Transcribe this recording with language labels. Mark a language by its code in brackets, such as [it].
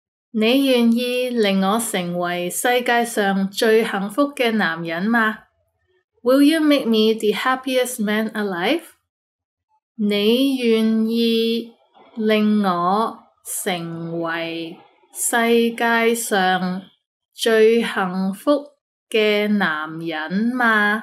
[yue] 你愿意令我成为世界上最幸福的男人吗？ [en] Will you make me the happiest man alive? [yue] 你愿意令我成为世界上最幸福的男人吗？